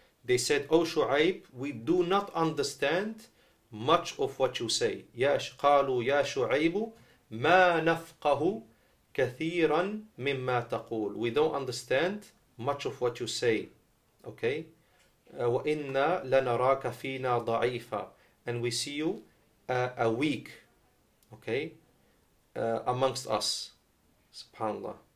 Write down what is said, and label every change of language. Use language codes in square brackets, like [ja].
[en] They said, O Shu'aib, we do not understand much of what you say. [ar] يا قالوا يا شعيب ما نفقه كثيرا مما تقول. [en] We don't understand much of what you say. [ar] Okay. وإنا لنراك فينا ضعيفا. [en] And we see you a weak. Okay. Amongst us. SubhanAllah.